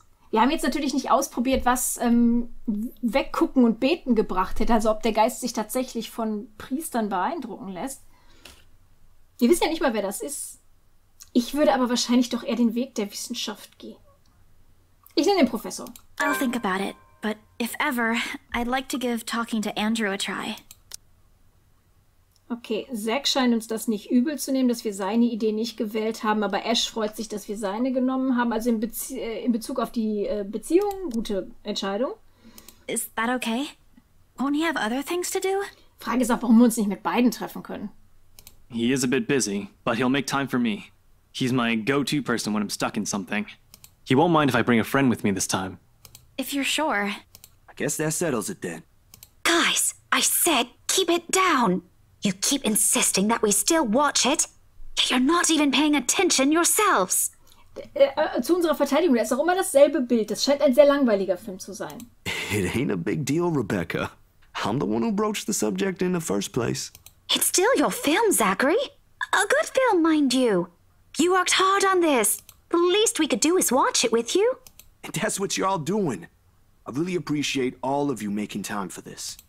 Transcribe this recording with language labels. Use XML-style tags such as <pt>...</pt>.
<de>Wir haben jetzt natürlich nicht ausprobiert, was Weggucken und Beten gebracht hätte. Also ob der Geist sich tatsächlich von Priestern beeindrucken lässt. Wir wissen ja nicht mal, wer das ist. Ich würde aber wahrscheinlich doch eher den Weg der Wissenschaft gehen. Ich nenne den Professor.</de> <en>I'll think about it, but if ever, I'd like to give talking to Andrew a try.</en> <de>Okay, Zach scheint uns das nicht übel zu nehmen, dass wir seine Idee nicht gewählt haben, aber Ash freut sich, dass wir seine genommen haben. Also in Bezug auf die Beziehung, gute Entscheidung.</de> <en>Is that okay? Won't he have other things to do?</en> <de>Frage ist auch, warum wir uns nicht mit beiden treffen können.</de> <en>He is a bit busy, but he'll make time for me. He's my go-to person when I'm stuck in something. He won't mind if I bring a friend with me this time. If you're sure. I guess that settles it then. Guys, I said keep it down! You keep insisting that we still watch it. You're not even paying attention yourselves.</en> <de>Zu unserer Verteidigung, das ist auch immer dasselbe Bild. Das scheint ein sehr langweiliger Film zu sein.</de> <en>It ain't a big deal, Rebecca. I'm the one who broached the subject in the first place. It's still your film, Zachary. A good film, mind you. You worked hard on this. The least we could do is watch it with you. And that's what you're all doing. I really appreciate all of you making time for this.</en>